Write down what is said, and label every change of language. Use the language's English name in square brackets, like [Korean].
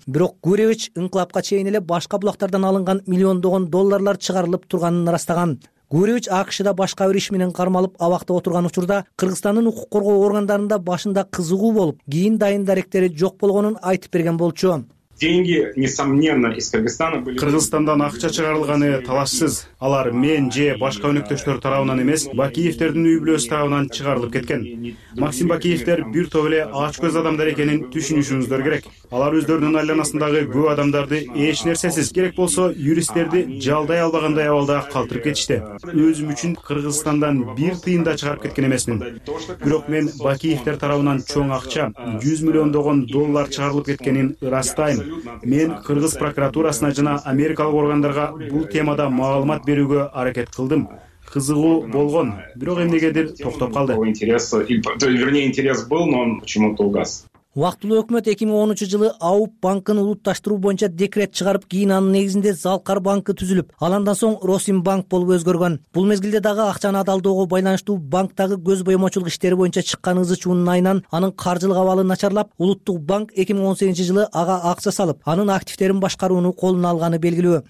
[Kyrgyz] Бирок Гуревич инкылапка чейин эле башка булактардан алынган миллиондогон долларлар чыгарылып турганын ырастаган. Гуревич АКШда башка бир иш менен кармалып абакта отурган учурда Кыргызстандын укук коргоо органдарында башында кызыгуу болуп, кийин дайын даректери жок болгонун айтып берген болчу. [Russian] Деньги, несомненно, из Кыргызстана были... [Kyrgyz] Кыргызстандан акча чыгарылганы талашсыз. Алар мен же башка өнөктөштөр тарабынан эмес, Бакиевдердин үй бүлөсү тарабынан чыгарылып кеткен. Максим Бакиевдер бир топ эле ач көз адамдар экенин түшүнүшүңүздөр керек. Алар өздөрүнүн айланасындагы көп адамдарды эч нерсесиз, керек болсо юристтерди жалдай албагандай абалда калтырып кетишти. Өзүм үчүн Кыргызстандан бир тыйын да чыгарып кеткен эмесмин. Бирок мен Бакиевдер тарабынан чоң акча, 100 миллиондогон доллар чыгарылып кеткенин ырастайм. Мен Кыргыз прокуратурасына жана Америкалык органдарга бул темада маалымат берүүгө аракет кылдым. Кызыгуу болгон, бирок эмнегедир токтоп калды. [Russian] Интерес был, но он почему-то угас. [Kyrgyz] Убактылуу өкмөт 2010 жылы АУБ банкын улутташтыруу боюнча декрет чыгарып, кийин анын негизинде Залкар банкы түзүлүп, ал андан соң Росимбанк болуп өзгөргөн. Бул мезгилде дагы акчаны адалдоого байланыштуу банктагы көз боемочулук иштери боюнча чыккан ызы чуунун айынан анын каржылык абалы начарлап, улуттук банк 2018 жылы ага акча салып, анын активдерин башкарууну колуна алганы белгилүү.